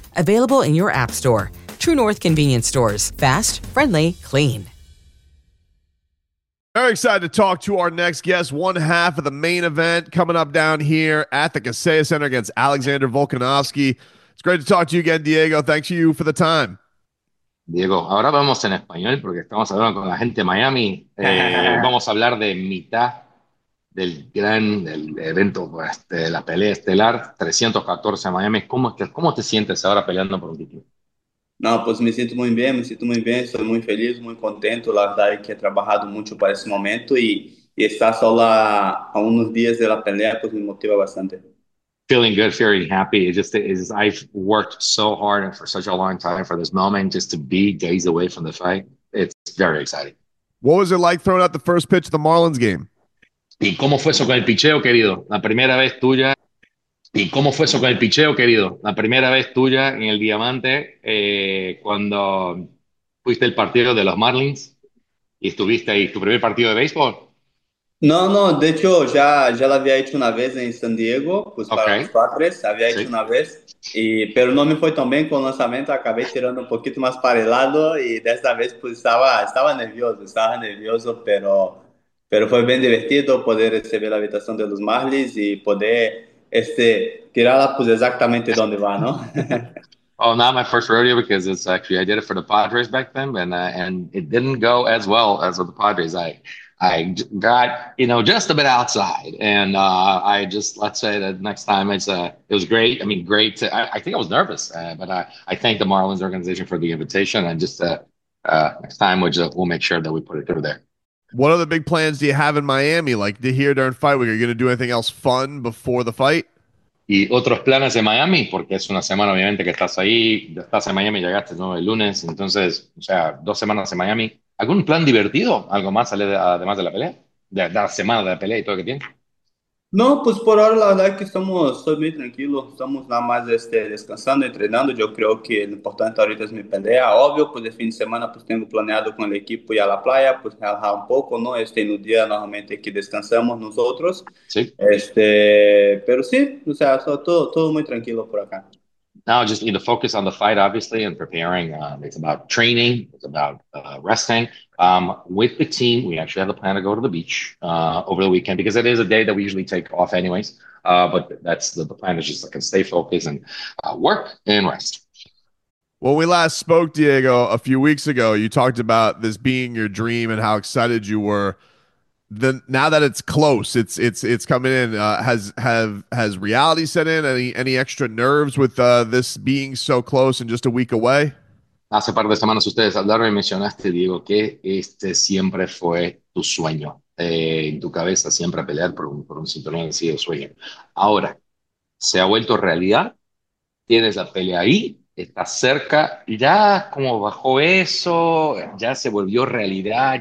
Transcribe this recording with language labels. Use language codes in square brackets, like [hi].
[en] Available in your app store. True North convenience stores. Fast, friendly, clean. Very excited to talk to our next guest. One half of the main event coming up down here at the Kaseya Center against Alexander Volkanovski. It's great to talk to you again, Diego. Thanks to you for the time. [es] Diego, ahora vamos en español porque estamos hablando con la gente de Miami. Vamos a hablar de mitad del gran del evento, este, la pelea estelar 314 Miami. ¿Cómo te sientes ahora peleando por un título? No, pues me siento muy bien, estoy muy feliz, muy contento. La verdad es que he trabajado mucho para ese momento y estar sola a unos días de la pelea pues me motiva bastante. [en] Feeling good, feeling happy. It's just I've worked so hard and for such a long time for this moment, just to be days away from the fight. It's very exciting. What was it like throwing out the first pitch of the Marlins game? [es] ¿Y cómo fue eso con el picheo, querido? La primera vez tuya. ¿Y cómo fue eso con el picheo, querido? La primera vez tuya en el Diamante, cuando fuiste el partido de los Marlins y estuviste ahí, tu primer partido de béisbol. No, no, de hecho ya lo había hecho una vez en San Diego, pues okay. Para los Padres, había hecho una vez, pero no me fue tan bien con el lanzamiento, acabé tirando un poquito más para el lado y de esta vez pues estaba nervioso, pero fue bien divertido poder recibir la invitación de los Marlins y poder tirarla pues exactamente donde va, ¿no? [en] Oh, not my first rodeo because it's actually, I did it for the Padres back then and it didn't go as well as with the Padres. I got, you know, just a bit outside, and I just, let's say that next time it was great. I mean, great. I think I was nervous, but I thank the Marlins organization for the invitation, and just next time we'll make sure that we put it through there. What other big plans do you have in Miami? Like to hear during fight week, are you going to do anything else fun before the fight? [es] Y otros planes en Miami, porque es una semana obviamente que estás ahí, estás en Miami, llegaste ¿no? el lunes, entonces, o sea, dos semanas en Miami. ¿Algún plan divertido? ¿Algo más además de la pelea? ¿De la semana de la pelea y todo lo que tiene? No, pues por ahora la verdad es que estoy muy tranquilo. Estamos nada más descansando, entrenando. Yo creo que lo importante ahorita es mi pelea. Obvio, pues el fin de semana pues tengo planeado con el equipo ir a la playa, pues relajar un poco, ¿no? En un día normalmente que descansamos nosotros. Sí. Pero sí, o sea, todo muy tranquilo por acá. [en] Now, just need to focus on the fight, obviously, and preparing. It's about training. It's about resting. With the team, we actually have the plan to go to the beach over the weekend because it is a day that we usually take off anyways. But that's the plan is just to stay focused and work and rest. When we last spoke, Diego, a few weeks ago, you talked about this being your dream and how excited you were. Then now that it's close, it's coming in. Has reality set in? Any extra nerves with this being so close and just a week away? [es] Hace par de semanas ustedes hablaron y mencionaste, Diego, que siempre fue tu sueño en tu cabeza, siempre pelear por un cinturón así de sueño. Ahora se ha vuelto realidad. Tienes la pelea ahí. Está cerca. Ya como bajó eso, ya se volvió realidad.